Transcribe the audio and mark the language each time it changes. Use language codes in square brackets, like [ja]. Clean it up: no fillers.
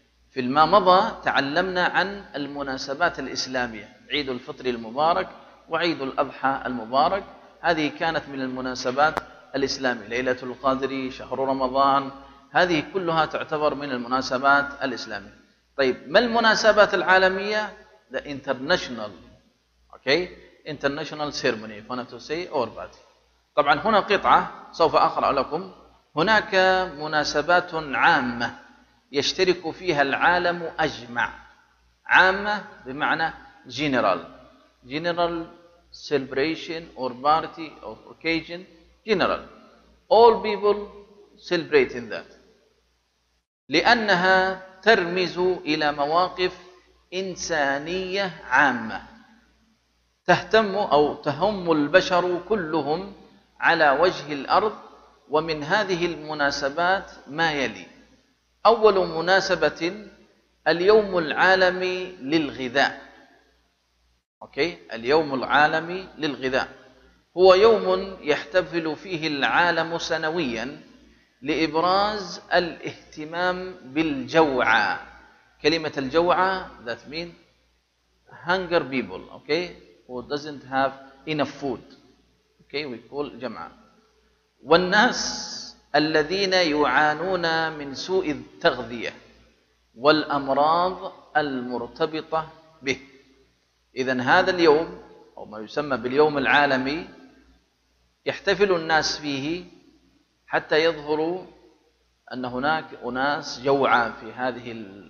[ar] في الما مضى تعلمنا عن المناسبات الإسلامية، عيد الفطر المبارك وعيد الأضحى المبارك، هذه كانت من المناسبات الإسلامية، ليلة القدر، شهر رمضان، هذه كلها تعتبر من المناسبات الإسلامية. طيب ما المناسبات العالمية؟ [en] The international, okay, international ceremony, if I want to say or that. [ar] طبعا هنا قطعة سوف أقرأ لكم، هناك مناسبات عامة يشترك فيها العالم أجمع، عامة بمعنى [en] general، general celebration or party or occasion, general, all people celebrating that، [ar] لأنها ترمز إلى مواقف إنسانية عامة تهتم أو تهم البشر كلهم على وجه الأرض. ومن هذه المناسبات ما يلي: أول مناسبة اليوم العالمي للغذاء. أوكي؟ اليوم العالمي للغذاء هو يوم يحتفل فيه العالم سنويا لإبراز الاهتمام بالجوع. كلمة الجوع [en] that mean hunger people, okay, who doesn't have enough food, okay, we call [ar] جمع. والناس الذين يعانون من سوء التغذية والأمراض المرتبطة به. إذن هذا اليوم أو ما يسمى باليوم العالمي يحتفل الناس فيه حتى يظهروا أن هناك أناس جوعى في هذه